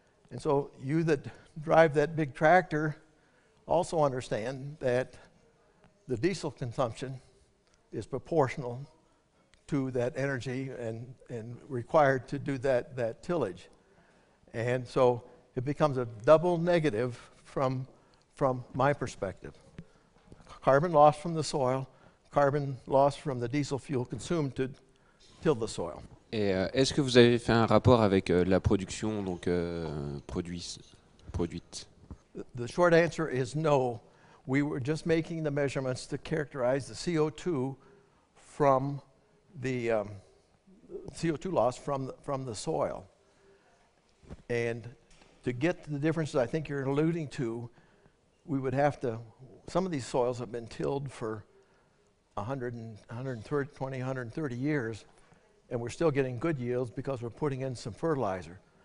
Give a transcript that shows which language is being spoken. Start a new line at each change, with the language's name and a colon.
English: And so you that drive that big tractor also understand that the diesel consumption is proportional to that energy and required to do that tillage. And so it becomes a double negative from my perspective. Carbon loss from the soil, carbon loss from the diesel fuel consumed to till the soil.
French: Et est-ce que vous avez fait un rapport avec la production donc produite?
English: The short answer is no. We were just making the measurements to characterize the CO2 from the CO2 loss from the soil. And to get to the differences I think you're alluding to, we would have to, some of these soils have been tilled for 130 years, and we're still getting good yields because we're putting in some fertilizer.